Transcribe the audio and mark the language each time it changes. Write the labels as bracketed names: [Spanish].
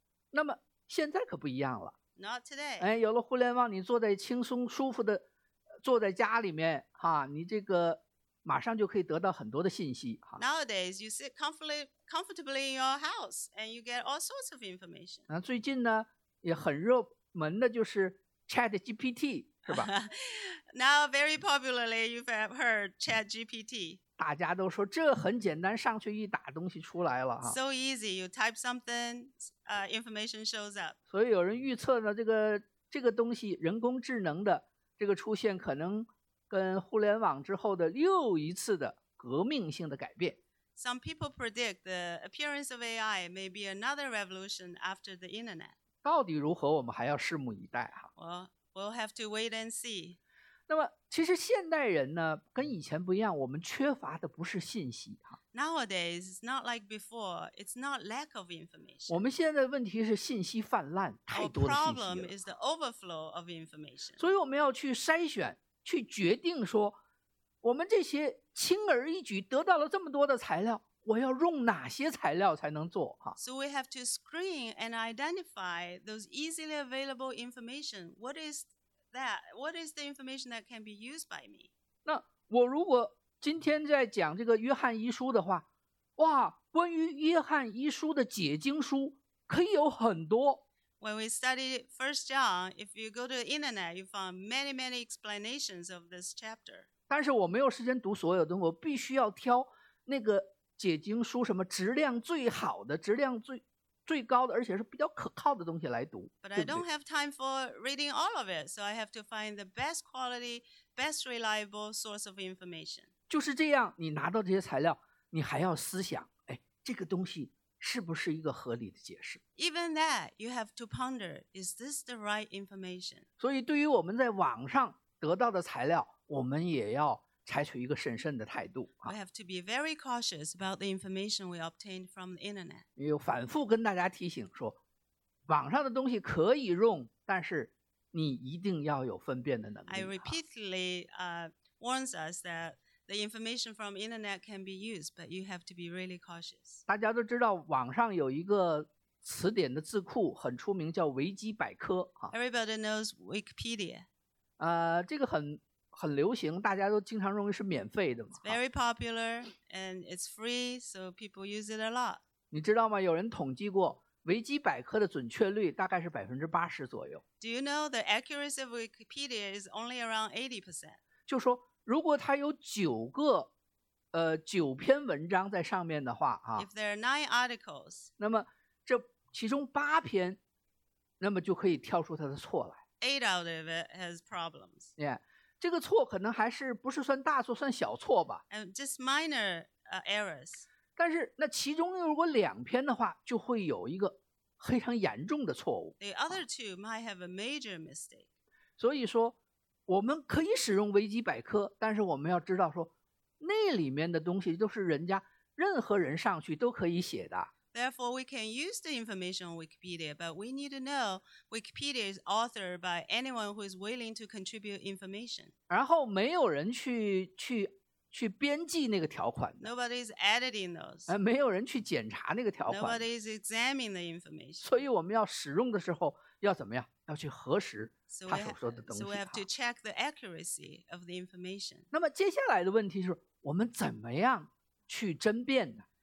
[Chinese] 那么现在可不一样了。 [English] Not today. [Chinese] 哎，有了互联网，你坐在轻松舒服的坐在家里面哈，你这个马上就可以得到很多的信息哈。 [English] Nowadays, you sit comfortably in your house and you get all sorts of information. [Chinese] 那最近呢，也很热门的就是 ChatGPT， 是吧 [English] ？Now, very popularly, you've heard ChatGPT. [Chinese] 大家都说这很简单，上去一打东西出来了。 [English] So easy, you type something, information shows up. [Chinese] 所以有人预测呢，这个东西人工智能的这个出现，可能跟互联网之后的又一次的革命性的改变。 [English] Some people predict the appearance of AI may be another revolution after the internet. [Chinese] 到底如何，我们还要拭目以待哈。 [English] We'll have to wait and see. [Chinese] 那么其实现代人呢跟以前不一样，我们缺乏的不是信息哈。 [English] Nowadays, it's not like before. It's not lack of information. [Chinese] 我们现在的问题是信息泛滥，太多的信息了。 [English] Our problem is the overflow of information. [Chinese] 所以我们要去筛选，去决定说我们这些轻而易举得到了这么多的材料，我要用哪些材料才能做哈。 [English] So we have to screen and identify those easily available information. What is the information that can be used by me? [Chinese] 那我如果今天在讲这个约翰一书的话，哇，关于约翰一书的解经书可以有很多。 [English] When we study 1 John, if you go to the internet, you find many, many explanations of this chapter. [Chinese] 但是我没有时间读所有的，我必须要挑那个解经书什么质量最好的，质量最高的，而且是比较可靠的东西来读。 [English] But I don't have time for reading all of it, so I have to find the best quality, best reliable source of information. [Chinese] 就是这样，你拿到这些材料，你还要思想，哎，这个东西是不是一个合理的解释？ [English] Even that, you have to ponder, is this the right information? [Chinese] 所以对于我们在网上得到的材料，我们也要采取一个审慎的态度。 [English] We have to be very cautious about the information we obtained from the internet. [Chinese] 又反复跟大家提醒说，网上的东西可以用，但是你一定要有分辨的能力。 [English] I repeatedly warns us that the information from the internet can be used, but you have to be really cautious. [Chinese] 大家都知道网上有一个词典的字库很出名，叫维基百科。 [English] Everybody knows Wikipedia. [Chinese] 这个很流行，大家都经常认为是免费的嘛。 [English] It's very popular and it's free, so people use it a lot. [Chinese] 你知道吗？有人统计过，维基百科的准确率大概是80%左右。 [English] Do you know the accuracy of Wikipedia is only around 80%? [Chinese] 就说如果它有九篇文章在上面的话啊。 [English] If there are 9 articles. [Chinese] 那么这其中8篇，那么就可以挑出它的错来。 [English] 8 out of it has problems. Yeah. [Chinese] 这个错可能还是不是算大错，算小错吧。 [English] And just minor errors. [Chinese] 但是那其中如果2篇的话，就会有一个非常严重的错误。 [English] The other two might have a major mistake. [Chinese] 所以说，我们可以使用维基百科，但是我们要知道说，那里面的东西都是人家任何人上去都可以写的。 [English] Therefore, we can use the information on Wikipedia, but we need to know Wikipedia is authored by anyone who is willing to contribute information. [Chinese] 然后没有人去编辑那个条款。 [English] Nobody is editing those. [Chinese] 没有人去检查那个条款。 [English] Nobody is examining the information. [Chinese] 所以我们要使用的时候要怎么样？要去核实他所说的东西。 [English] So we have to check the accuracy of the information. [Chinese] 那么接下来的问题是，我们怎么样去甄辨呢？